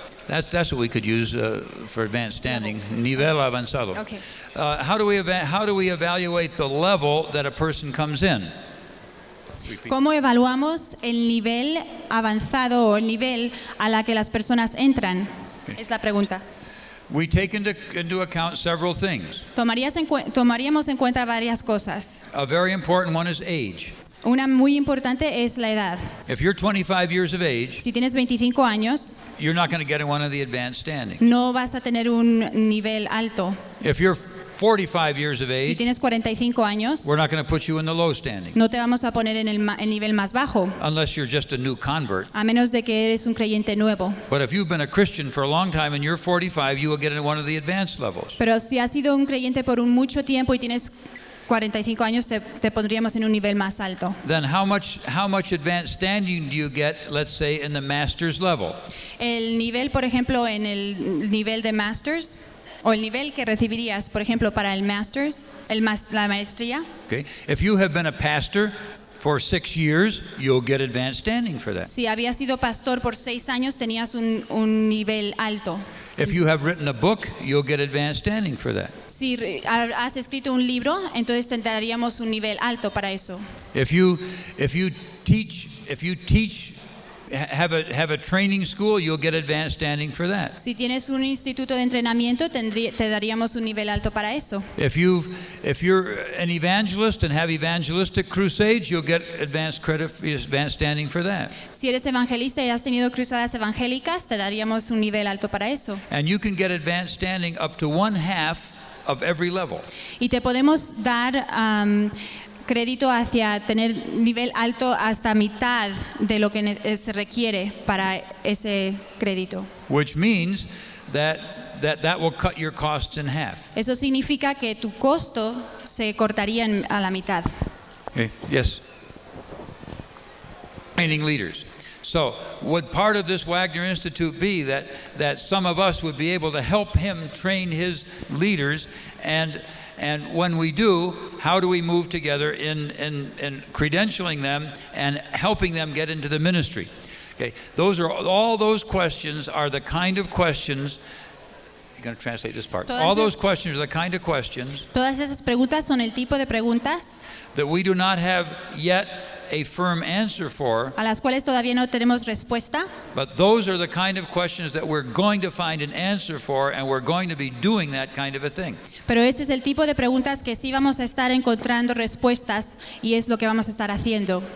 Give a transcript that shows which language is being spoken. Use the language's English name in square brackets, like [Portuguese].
[English] That's what we could use for advanced standing. [Spanish] Nivel avanzado. [English] Okay. How do we evaluate the level that a person comes in? [Spanish] ¿Cómo evaluamos el nivel avanzado o el nivel a la que las personas entran? Okay. Es la pregunta. [English] We take into account several things. [Spanish] Tomaríamos en cuenta varias cosas. [English] A very important one is age. [Spanish] Una muy importante es la edad. [English] If you're 25 years of age, [Spanish] si tienes 25 años, [English] you're not going to get one of the advanced standing. [Spanish] No vas a tener un nivel alto. [English] If you're 45 years of age, [Spanish] si tienes 45 años, [English] we're not going to put you in the low standing. [Spanish] No te vamos a poner en el nivel más bajo. [English] Unless you're just a new convert. [Spanish] A menos de que eres un creyente nuevo. [English] But if you've been a Christian for a long time and you're 45, you will get in one of the advanced levels. [Spanish] Pero si has sido un creyente por un mucho tiempo y tienes 45 años te pondríamos en un nivel más alto. [English] Then how much advanced standing do you get, let's say, in the master's level? [Spanish] El nivel, por ejemplo, en el nivel de master's, o el nivel que recibirías, por ejemplo, para el master's, la maestría. [English] Okay. If you have been a pastor, For 6 years, you'll get advanced standing for that. [Spanish] Si había sido pastor por 6 años, tenías un nivel alto. [English] If you have written a book, you'll get advanced standing for that. [Spanish] Si has escrito un libro, entonces tendríamos un nivel alto para eso. [English] If you teach, have a training school, you'll get advanced standing for that. [Spanish] Si tienes un instituto de entrenamiento, te daríamos un nivel alto para eso. [English] If you're an evangelist and have evangelistic crusades, you'll get advanced credit, advanced standing for that. [Spanish] Si eres evangelista y has tenido cruzadas evangélicas, te daríamos un nivel alto para eso. [English] And you can get advanced standing up to one half of every level. [Spanish] Y te podemos dar crédito hacia tener nivel alto hasta mitad de lo que se requiere para ese crédito. [English] Which means that will cut your costs in half. [Spanish] Eso significa que tu costo se cortaría a la mitad. [English] Okay. Yes. Training leaders. So, would part of this Wagner Institute be that some of us would be able to help him train his leaders? And when we do, how do we move together in credentialing them and helping them get into the ministry? Okay, those are all those questions are the kind of questions. You're going to translate this part. All those questions are the kind of questions. [Spanish] Todas esas preguntas son el tipo de preguntas [English] that we do not have yet a firm answer for. [Spanish] A las cuales todavía no tenemos respuesta. [English] But those are the kind of questions that we're going to find an answer for, and we're going to be doing that kind of a thing. [Spanish] Pero ese es el tipo de preguntas que sí vamos a estar encontrando respuestas y es lo que vamos a estar haciendo.